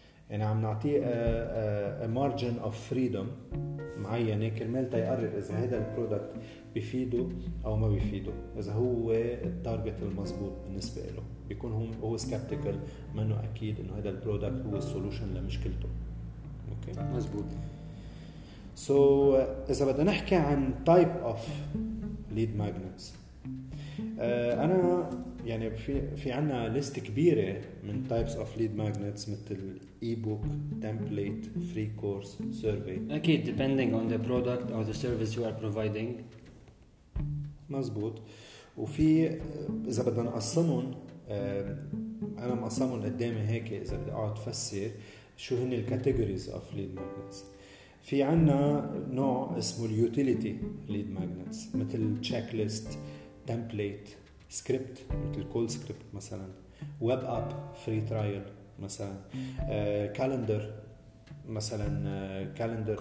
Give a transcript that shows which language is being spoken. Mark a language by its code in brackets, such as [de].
[ar] يعني عم نعطيه [en] a margin of freedom [ar] معينة كرمال تيقرر إذا هذا البرودكت بيفيده أو ما بيفيده, إذا هو التارجت المزبوط بالنسبة له, بيكون هو skeptical منه أكيد إنه هذا البرودكت هو solution لمشكلته. أوكي مزبوط. [en] So [ar] إذا بدنا نحكي عن [en] type of lead magnets, [ar] أنا يعني في عنا ليست كبيرة من [en] types of lead magnets مثل e-book, template, free course, survey. أكيد depending on the product or the service you are providing. [ar] مزبوط. وفي إذا بدنا نقسمهم, أنا مقسمهم قدامي هيك إذا بدي أقعد فسر شو هن الكاتيجوريز of lead magnets. في عنا نوع اسمه [en] utility lead magnets مثل checklist, template, script مثل call script مثلا, web app free trial مثلا, calendar مثلا, calendar